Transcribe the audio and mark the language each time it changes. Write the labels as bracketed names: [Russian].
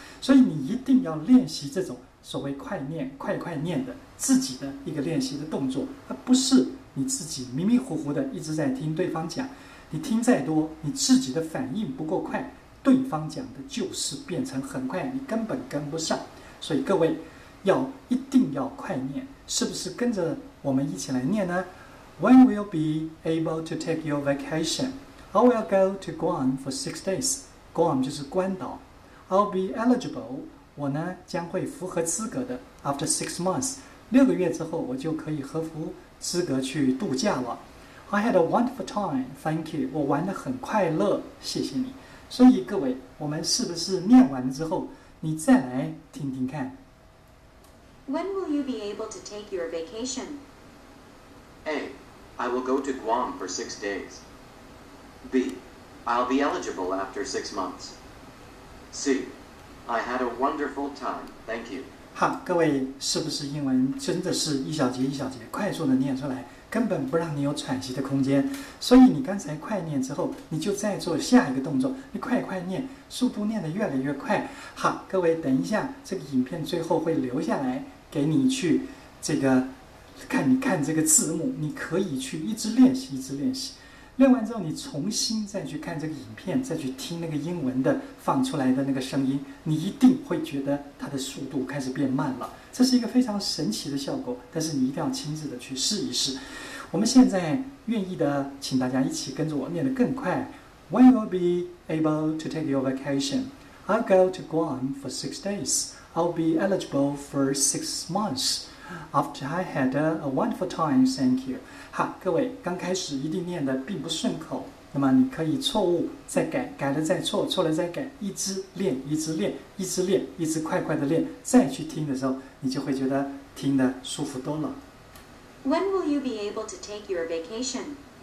[Chinese] 所以你一定要练习这种所谓快念、快快念的自己的一个练习的动作，而不是你自己迷迷糊糊的一直在听对方讲。你听再多，你自己的反应不够快，对方讲的就是变成很快，你根本跟不上。所以各位要一定要快念，是不是跟着我们一起来念呢？ [English] When will you be able to take your vacation? I will go to Guam for 6 days. Guam [Chinese] 就是关岛。 [English] I'll be eligible. [Chinese] 我呢将会符合资格的。 [English] After 6 months, [Chinese] 6个月之后，我就可以合符资格去度假了。 [English] I had a wonderful time. Thank you. [Chinese] 我玩得很快乐，谢谢你。所以各位，我们是不是念完了之后，你再来听听看？ [English] When will you be able to take your vacation? A. I will go to Guam for 6 days. B. I'll be eligible after 6 months. C. I had a wonderful time. Thank you. [Chinese] 好，各位，是不是英文真的是一小节一小节快速的念出来，根本不让你有喘息的空间？所以你刚才快念之后，你就再做下一个动作，你快快念，速度念得越来越快。好，各位，等一下，这个影片最后会留下来给你去这个。看，你看这个字幕，你可以去一直练习，一直练习。练完之后，你重新再去看这个影片，再去听那个英文的放出来的那个声音，你一定会觉得它的速度开始变慢了。这是一个非常神奇的效果，但是你一定要亲自的去试一试。我们现在愿意的，请大家一起跟着我念得更快。 [English] When will be able to take your vacation? I'll go to Guam for 6 days. I'll be eligible for 6 months. After I had a wonderful time, thank you. [Chinese] 好，各位，刚开始一定念得并不顺口，那么你可以错误再改，改了再错，错了再改，一直练，一直练，一直练，一直快快的练，再去听的时候，你就会觉得听得舒服多了。 [English] When will you be able to take your vacation?